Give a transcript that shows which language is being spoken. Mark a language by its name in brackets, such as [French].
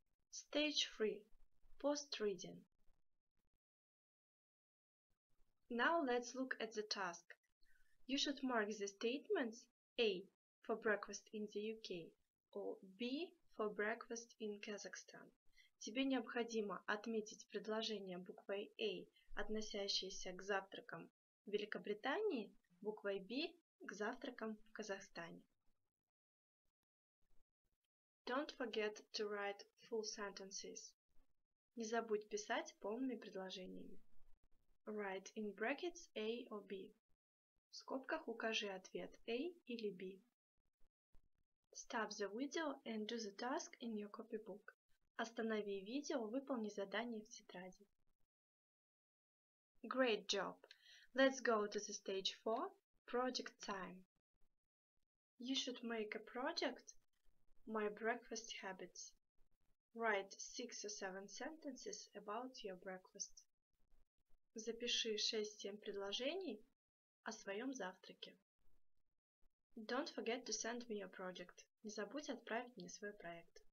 [English] Stage 3. Post-reading. Now let's look at the task. You should mark the statements A for breakfast in the UK or B for breakfast in Kazakhstan. [Russian] Тебе необходимо отметить предложение буквой A, относящееся к завтракам в Великобритании, буквой B к завтракам в Казахстане. [English] Don't forget to write full sentences. [Russian] Не забудь писать полными предложениями. [English] Write in brackets A or B. [Russian] В скобках укажи ответ A или B. [English] Stop the video and do the task in your copybook. [Russian] Останови видео, выполни задание в тетради. [English] Great job! Let's go to the stage 4. Project time. You should make a project, My Breakfast Habits. Write 6 or 7 sentences about your breakfast. [Russian] Запиши 6-7 предложений о своем завтраке. [English] Don't forget to send me your project. [Russian] Не забудь отправить мне свой проект.